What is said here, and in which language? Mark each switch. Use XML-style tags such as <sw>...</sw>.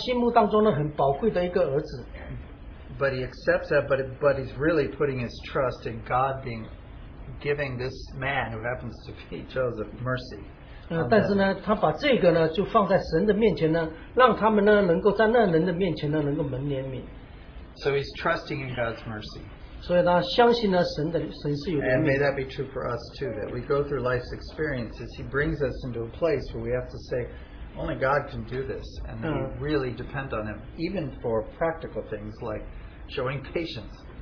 <zh>接着这个呢，他好像要失去他另外一个在他心目当中呢很宝贵的一个儿子。</zh> <en>But he accepts that, but he's really putting his trust in God being giving this man who happens to be Joseph mercy.</en> <zh>但是呢，他把这个呢就放在神的面前呢，让他们呢能够在那人的面前呢能够蒙怜悯。</zh> <en>So he's trusting in God's mercy.</en> <zh>所以他相信呢神的神是有怜悯。</zh> <en>And may that be true for us too, that we go through life's experiences, he brings us into a place where we have to say, only God can do this, and we really depend on him, even for practical things like showing patience.</en>